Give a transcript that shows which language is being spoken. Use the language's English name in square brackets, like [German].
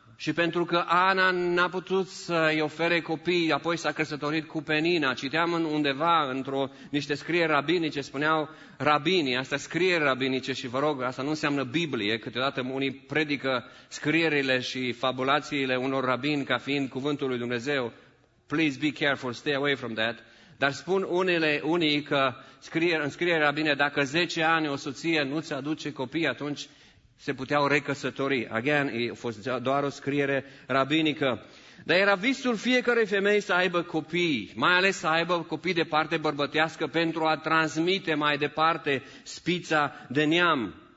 [Romanian] Și pentru că Ana n-a putut să-i ofere copii, apoi s-a căsătorit cu Penina. Citeam undeva, într-o niște scrieri rabinice, spuneau rabinii, astea scrieri rabinice și vă rog, asta nu înseamnă Biblie, câteodată unii predică scrierile și fabulațiile unor rabini ca fiind cuvântul lui Dumnezeu. [English] Please be careful, stay away from that. [Romanian] Dar spun unii că în scriere rabine, dacă 10 ani o soție nu ți-aduce copii, atunci se puteau recăsători. [English] Again, [Romanian] a fost doar o scriere rabinică. Dar era visul fiecărei femei să aibă copii, mai ales să aibă copii de parte bărbătească pentru a transmite mai departe spița de neam.